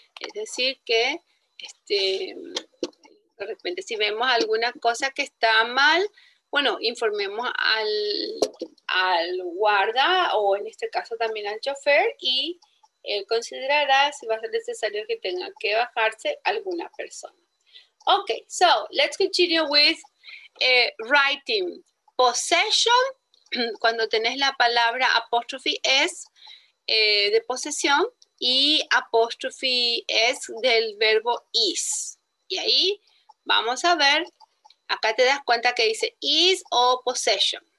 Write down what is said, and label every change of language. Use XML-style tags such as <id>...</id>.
<es>Es decir, que de repente si vemos alguna cosa que está mal, bueno, informemos al guarda o en este caso también al chofer y él considerará si va a ser necesario que tenga que bajarse alguna persona.</es> <en>Ok, so let's continue with writing.</en> <es>Possession, cuando tenés la palabra apóstrofe es de posesión y apóstrofe es del verbo is. Y ahí vamos a ver, acá te das cuenta que dice is o possession.</es>